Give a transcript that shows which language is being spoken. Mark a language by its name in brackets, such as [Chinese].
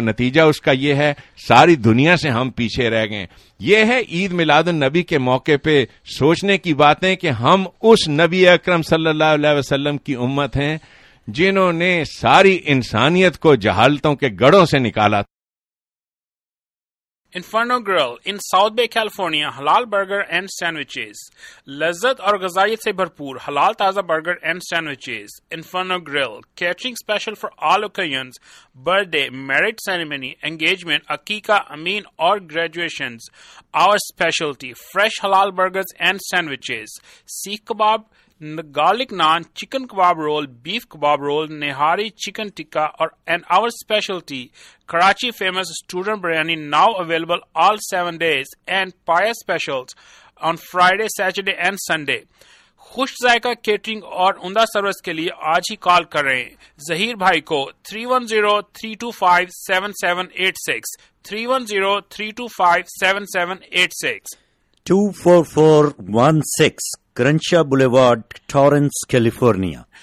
[Urdu] نتیجہ اس کا یہ ہے ساری دنیا سے ہم پیچھے رہ گئے. یہ ہے عید میلاد النبی کے موقع پہ سوچنے کی باتیں کہ ہم اس نبی اکرم صلی اللہ علیہ وسلم کی امت ہیں جنہوں نے ساری انسانیت کو جہالتوں کے گڑھوں سے نکالا. [English] Inferno Grill in South Bay, California, halal burger and sandwiches. [Urdu] Lazzat aur ghazaiyat se bharpoor halal taza [English] burger and sandwiches. Inferno Grill, catering special for all occasions, birthday, marriage ceremony, engagement, akika, ameen aur graduations. Our specialty, fresh halal burgers and sandwiches. Seekh kebab, garlic naan, chicken kebab roll, beef kebab roll, nihari chicken tikka and our specialty, Karachi famous student biryani now available all 7 days and paya specials on Friday, Saturday and Sunday. [Urdu] خوش ذائقہ catering اور عمدہ service کے لیے آج ہی کال کر رہے ہیں ظہیر بھائی کو 310-325-7786 310-325-7786 24416 کرنشا بلیوارڈ ٹورنس کیلیفورنیا